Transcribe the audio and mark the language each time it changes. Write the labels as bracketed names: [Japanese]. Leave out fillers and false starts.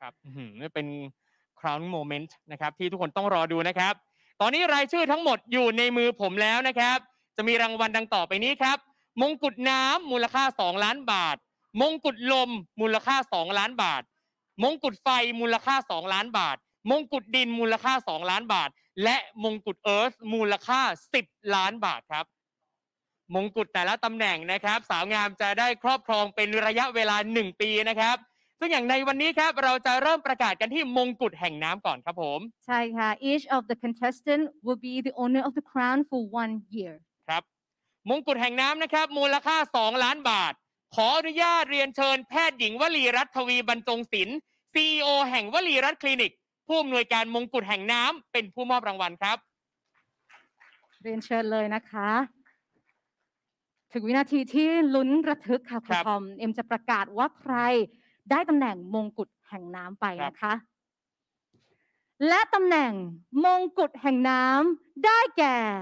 [Thai] ครับอื้อหือเป็น [English] crown moment [Thai] นะครับที่ทุกคนต้องรอดูนะครับตอนนี้รายชื่อทั้งหมดอยู่ในมือผมแล้วนะครับจะมีรางวัลดังต่อไปนี้ครับมงกุฎน้ำมูลค่า2ล้านบาทมงกุฎลมมูลค่า2ล้านบาทมงกุฎไฟมูลค่า2ล้านบาทมงกุฎดินมูลค่า2ล้านบาทและมงกุฎเอิร์ธมูลค่า10ล้านบาทครับ มงกุฎแต่ละตำแหน่งนะครับสาวงามจะได้ครอบครองเป็นระยะเวลา1ปีนะครับซึ่งอย่างในวันนี้ครับเราจะเริ่มประกาศกันที่มงกุฎแห่งน้ำก่อนครับผม ใช่ค่ะ [English] Each of the contestant will be the owner of the crown for 1 year [Thai] ครับมงกุฎแห่งน้ำนะครับมูลค่า2ล้านบาทขออนุญาตเรียนเชิญแพทย์หญิงวลีรัตน์ทวีบรรจงศิลป์ CEO แห่งวลีรัตน์คลินิกผู้อำนวยการมงกุฎแห่งน้ำเป็นผู้มอบรางวัลครับ เรียนเชิญเลยนะคะถึงวินาทีที่ลุ้นระทึกค่ะคุณทอมเอ็มจะประกาศว่าใครได้ตำแหน่งมงกุฎแห่งน้ำไปนะคะและตำแหน่งมงกุฎแห่งน้ำได้แก่